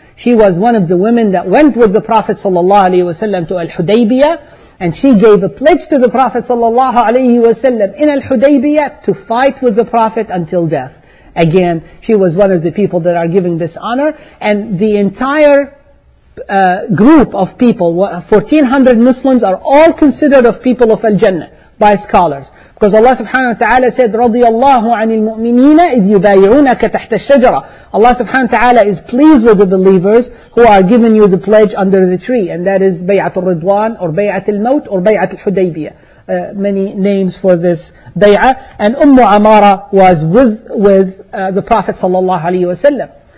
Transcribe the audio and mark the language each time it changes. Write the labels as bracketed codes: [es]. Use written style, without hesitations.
[en] She was one of the women that went with the Prophet sallallahu alaihi wasallam to Al-Hudaybiyah, and she gave a pledge to the Prophet sallallahu alaihi wasallam in Al-Hudaybiyah to fight with the Prophet until death. Again, she was one of the people that are giving this honor, and the entire group of people, 1400 Muslims, are all considered of people of Al-Jannah by scholars. Because Allah subhanahu wa ta'ala said, [ar] رَضِيَ عَنِ الْمُؤْمِنِينَ إِذْ يُبَايِعُونَكَ تَحْتَ الشَّجَرَةِ. [en] Allah subhanahu wa ta'ala is pleased with the believers who are giving you the pledge under the tree. And that is Bay'at al-Ridwan, or Bay'at al-Maut, or Bay'at al-Hudaybiyah. Many names for this Bay'ah. And Ummu Amara was with the Prophet sallallahu alayhi wa sallam.